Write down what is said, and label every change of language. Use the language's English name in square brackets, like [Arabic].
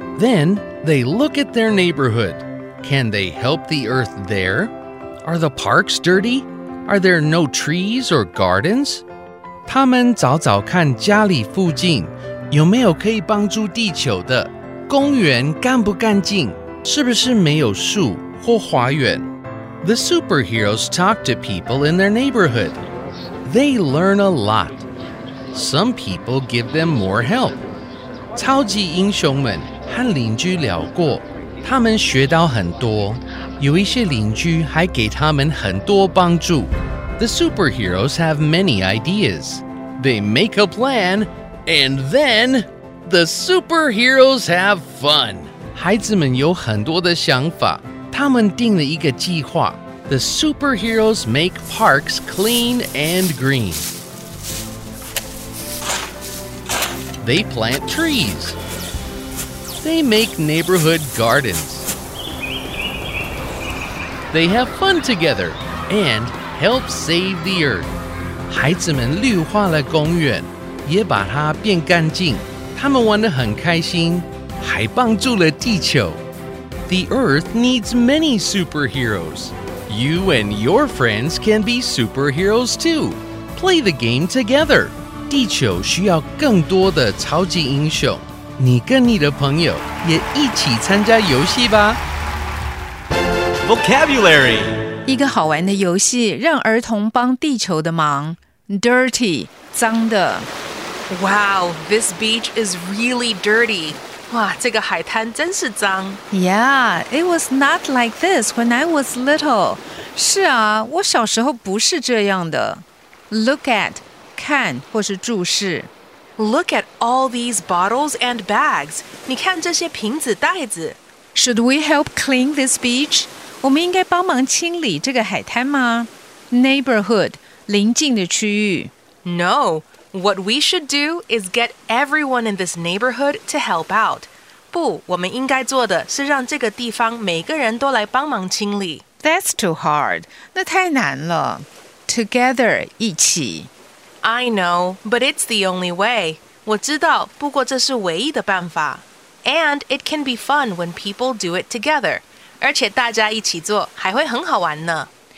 [English] Then, they look at their neighborhood. Can they help the Earth there? Are the parks dirty? Are there no trees or gardens? [Chinese] 他们找找看家里附近有没有可以帮助地球的。公园干不干净？是不是没有树或花园？ [English] The superheroes talk to people in their neighborhood. They learn a lot. Some people give them more help. [Chinese] 超级英雄们和邻居聊过，他们学到很多，有一些邻居还给他们很多帮助。 [English] The superheroes have many ideas. They make a plan, and then the superheroes have fun. [Chinese] 孩子们有很多的想法，他们定了一个计划。 [English] The superheroes make parks clean and green. They plant trees. They make neighborhood gardens. They have fun together and help save the earth. [Chinese] 孩子们绿化了公园，也把它变干净，他们玩得很开心，还帮助了地球。 [English] The Earth needs many superheroes. You and your friends can be superheroes too. Play the game together. [Chinese] 地球需要更多的超级英雄，你跟你的朋友也一起参加游戏吧。 [English] Vocabulary. [Chinese] 一个好玩的游戏，让儿童帮地球的忙。 Dirty, 脏的。 [English] Wow, this beach is really dirty. [Chinese] 哇，这个海滩真是脏。 [English] Yeah, it was not like this when I was little. [Chinese] 是啊，我小时候不是这样的。 Look at, 看或是注视。 [English] Look at all these bottles and bags. [Chinese] 你看这些瓶子袋子。 [English] Should we help clean this beach? [Chinese] 我们应该帮忙清理这个海滩吗？ Neighborhood, 邻近的区域。 [English] No. What we should do is get everyone in this neighborhood to help out. [Chinese] 不，我们应该做的是让这个地方每个人都来帮忙清理。 [English] That's too hard. [Chinese] 那太难了。 [English] Together, [Chinese] 一起。 [English] I know, but it's the only way. [Chinese] 我知道，不过这是唯一的办法。 [English] And it can be fun when people do it together. [Chinese] 而且大家一起做还会很好玩呢。